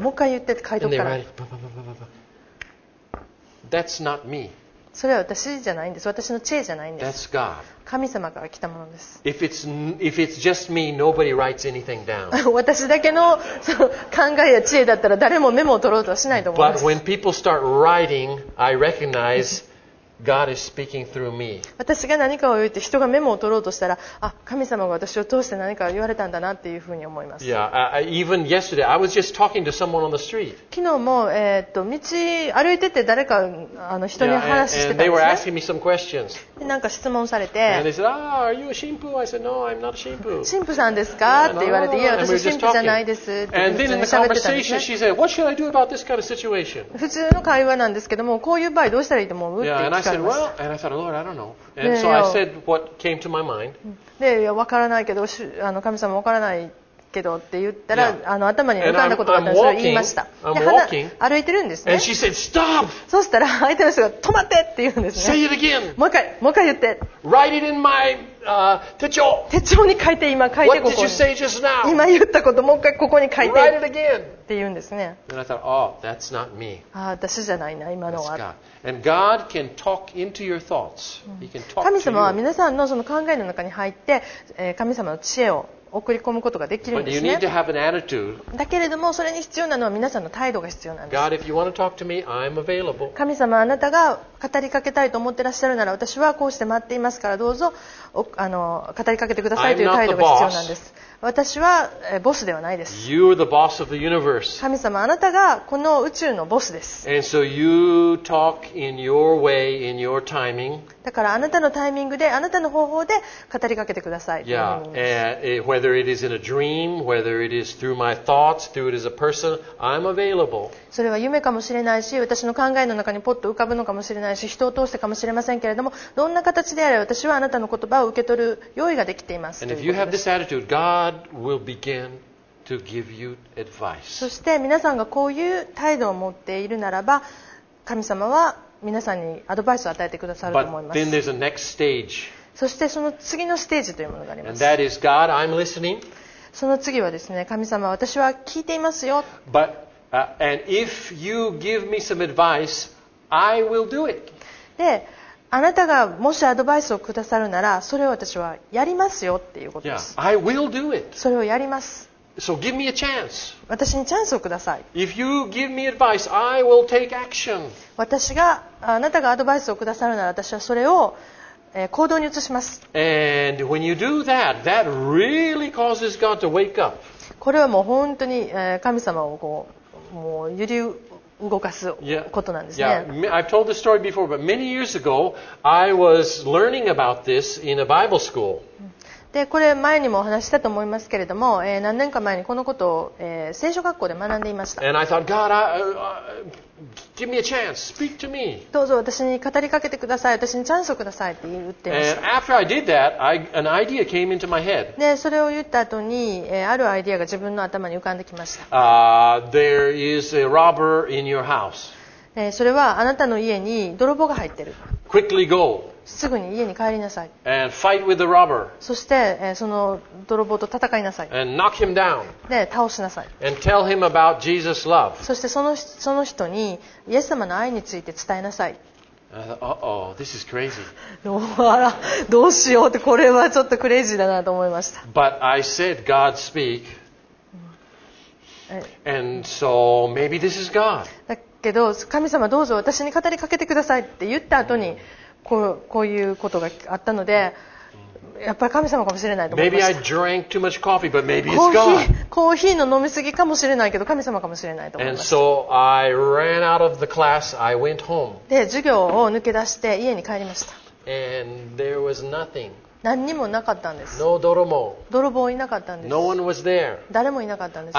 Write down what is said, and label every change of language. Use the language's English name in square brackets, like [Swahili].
[Japanese] もう一回言ってって書いとくから。 [English] That's not me. [Japanese] それは私じゃないんです。私の知恵じゃないんです。 [English] That's God. [Japanese] 神様から来たものです。 [English] If it's just me, nobody writes anything down. [Japanese] 私だけの考えや知恵だったら誰もメモを取ろうとはしないと思います。 [English] But when people start writing, I recognize God is speaking through me. [Japanese] 私が何かを言って人がメモを取ろうとしたら、あ、神様が私を通して何かを言われたんだなっていうふうに思います。 [English] Yeah, even yesterday, I was just talking to someone on the street. [Japanese] 昨日も、道歩いてて誰かあの人に話してたんですね。 [English] Yeah, and they were asking me some questions. [Japanese] で、なんか質問されて。 [English] And they said, ah, are you a shampoo? I said, no, I'm not a shampoo. [Japanese] 神父さんですか？って言われて、いや、私神父じゃないですって [English] 。And then in the conversation, she said, what should I do about this kind of situation? [Japanese] 普通の会話なんですけども、こういう場合どうしたらいいと思う？って聞かれました。 [English] I said, well, and I thought, Lord, I don't know. And so I said what came to my mind. [Japanese] で、いや、わからないけど、あの、神様わからないけどって言ったら、あの、頭に浮かんだことがあったんですよ。言いました。で、歩いてるんですね。 [English] And she said, stop! [Japanese] そしたら、相手の人が、止まってって言うんですね。 [English] Say it again! [Japanese] もう一回言って。 [English] Write it in my, 手帳。 [Japanese] 手帳に書いて、今書いて、ここに。 [English] What did you say just now? [Japanese] 今言ったこと、もう一回ここに書いて。 [English] Write it again! [Japanese] って言うんですね。 [English] And I thought, oh, that's not me. [Japanese] ああ、私じゃないな、今のは。 [English] And God can talk into your thoughts. He can talk to you. [Japanese] 神様は皆さんのその考えの中に入って、神様の知恵を送り込むことができるんですね。 [English] But you need to have an attitude. [Japanese] だけれども、それに必要なのは皆さんの態度が必要なんです。 [English] God, if you want to talk to me, I'm available. [Japanese] 神様、あなたが語りかけたいと思ってらっしゃるなら、私はこうして待っていますから、どうぞ語りかけてくださいという態度が必要なんです。私はボスではないです。 [English] You are the boss of the universe. [Japanese] 神様、あなたがこの宇宙のボスです。 [English] And so you talk in your way, in your timing. [Japanese] だからあなたのタイミングで、あなたの方法で語りかけてください。 [English] Yeah. Whether it is in a dream, whether it is through my thoughts, through it as a person, I'm available. [Japanese] それは夢かもしれないし、私の考えの中にポッと浮かぶのかもしれないし、人を通してかもしれませんけれども、どんな形であれ、私はあなたの言葉を受け取る用意ができています。 [English] And if you have this attitude, God God will begin to give you advice. [Japanese] そして皆さんがこういう態度を持っているならば、神様は皆さんにアドバイスを与えてくださると思います。 [English] But then there's a next stage. [Japanese] そしてその次のステージというものがあります。 [English] And that is God, I'm listening. [Japanese] その次はですね、神様、私は聞いていますよ。 [English] But, and if you give me some advice, I will do it. [Japanese] で、あなたがもしアドバイスをくださるなら、それを私はやりますよっていうことです。 [English] Yeah, I will do it. [Japanese] それをやります。 [English] So give me a chance. [Japanese] 私にチャンスをください。 [English] If you give me advice, I will take action. [Japanese] 私が、あなたがアドバイスをくださるなら、私はそれを、行動に移します。 [English] And when you do that, that really causes God to wake up. [Japanese] これはもう本当に、神様をこう、もう揺り動かすことなんですね。 [English] I've told this story before, but many years ago, I was learning about this in a Bible school. [Japanese] で、これ前にもお話したと思いますけれども、何年か前にこのことを、聖書学校で学んでいました。 [English] And I thought, God, give me a chance, speak to me. [Japanese] どうぞ私に語りかけてください、私にチャンスをくださいって言っていました。 [English] And after I did that, an idea came into my head. [Japanese] で、それを言った後に、あるアイデアが自分の頭に浮かんできました。 [English] There is a robber in your house. [Japanese] それはあなたの家に泥棒が入ってる。 [English] Quickly go. [Japanese] すぐに家に帰りなさい。 [English] And fight with the robber. [Japanese] そして、その泥棒と戦いなさい。 [English] And knock him down. [Japanese] で、倒しなさい。 [English] And tell him about Jesus' love. [Japanese] そしてその人にイエス様の愛について伝えなさい。 [English] Uh-oh, this is crazy. [Japanese] どうしようって、これはちょっとクレイジーだなと思いました。 [English] But I said, God speak. And so maybe this is God. [Japanese] だけど、神様どうぞ私に語りかけてくださいって言った後に、こういうことがあったので、やっぱり神様かもしれないと思いました。 [English] Maybe I drank too much coffee, but maybe it's God. [Japanese] コーヒーの飲みすぎかもしれないけど、神様かもしれないと思います。 [English] And so I ran out of the class. I went home. [Japanese] で、授業を抜け出して家に帰りました。 [English] And there was nothing. [Japanese] 何にもなかったんです。 [English] No 泥棒。 [Japanese] 泥棒いなかったんです。 [English] No one was there. [Japanese] 誰もいなかったんです。